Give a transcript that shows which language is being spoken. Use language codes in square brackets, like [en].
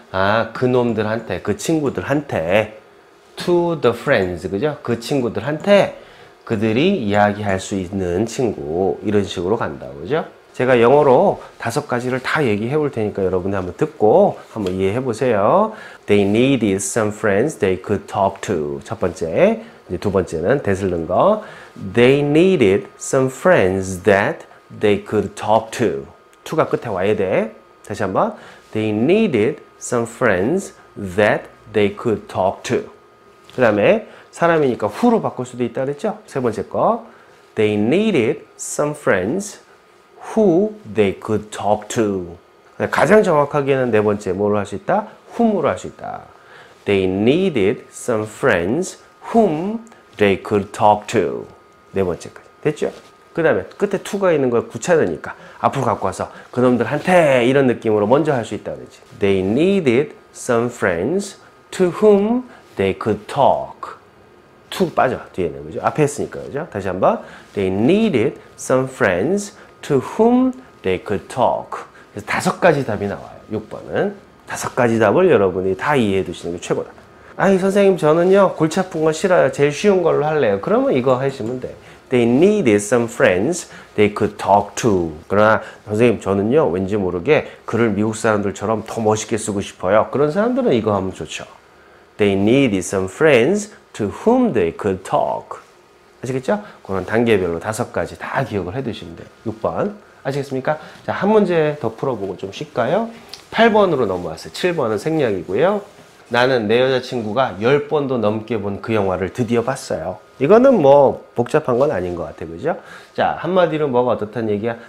[ko] 아, 그놈들한테, 그 친구들한테. [en] to the friends, [ko] 그죠? 그 친구들한테 그들이 이야기할 수 있는 친구. 이런 식으로 간다, 그죠? 제가 영어로 다섯 가지를 다 얘기해 볼 테니까 여러분들 한번 듣고 한번 이해해 보세요. [en] They needed some friends they could talk to. [ko] 첫 번째. 이제 두 번째는 되슬는 거. [en] They needed some friends that they could talk to. [ko] to가 끝에 와야 돼. 다시 한번. [en] They needed some friends that they could talk to. [ko] 그 다음에 사람이니까 who로 바꿀 수도 있다 그랬죠? 세 번째 거. [en] They needed some friends who they could talk to. [ko] 가장 정확하게는 네 번째 뭐로 할 수 있다? whom으로 할 수 있다. [en] They needed some friends whom they could talk to. [ko] 네 번째까지 됐죠? 그 다음에 끝에 to가 있는 걸 구차되니까 앞으로 갖고 와서 그놈들한테 이런 느낌으로 먼저 할 수 있다 그러지. [en] They needed some friends to whom they could talk. [ko] to 빠져 뒤에는, 그죠? 앞에 했으니까, 그죠? 다시 한번. [en] They needed some friends to whom they could talk. [ko] 그래서 다섯 가지 답이 나와요. 6번은 다섯 가지 답을 여러분이 다 이해해 두시는 게 최고다. 아니 선생님 저는요 골치 아픈 건 싫어요. 제일 쉬운 걸로 할래요. 그러면 이거 하시면 돼. [en] They needed some friends they could talk to. [ko] 그러나 선생님 저는요 왠지 모르게 글을 미국 사람들처럼 더 멋있게 쓰고 싶어요. 그런 사람들은 이거 하면 좋죠. [en] They needed some friends to whom they could talk. [ko] 아시겠죠? 그런 단계별로 다섯 가지 다 기억을 해두시면 돼요. 6번 아시겠습니까? 자, 한 문제 더 풀어보고 좀 쉴까요? 8번으로 넘어왔어요. 7번은 생략이고요. 나는 내 여자친구가 10번도 넘게 본 그 영화를 드디어 봤어요. 이거는 뭐 복잡한 건 아닌 것 같아요, 그죠? 자, 한마디로 뭐가 어떻다는 얘기야?